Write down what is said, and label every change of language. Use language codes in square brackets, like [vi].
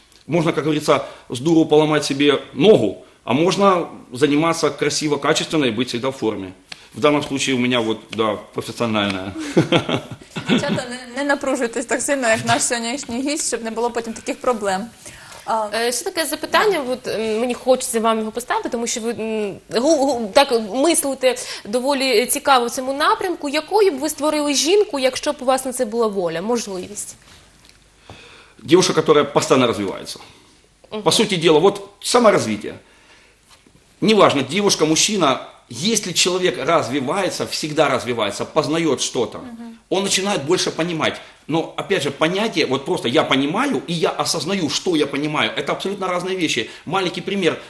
[ru] Можно, как говорится, с дуру поломать себе ногу, а можно заниматься красиво, качественно и быть всегда в форме. В данном случае у меня вот, да, профессиональная. [uk] Не напружуйтесь так сильно, как наш [ru] сегодняшний [uk] гість, [ru] чтобы не было потом таких проблем. [uk] Ще таке запитання, от мені хочеться вам його поставити, тому що ви так мислите доволі цікаво в цьому напрямку. Якою б ви створили жінку, якщо б у вас на це була воля, можливість? [ru] Девушка, которая постоянно развивается. По сути дела, вот саморазвитие. Неважно, девушка, мужчина, если человек развивается, всегда развивается, познает что-то, он начинает больше понимать. Но, опять же, понятие, вот просто я понимаю, и я осознаю, что я понимаю, это абсолютно разные вещи. Маленький пример.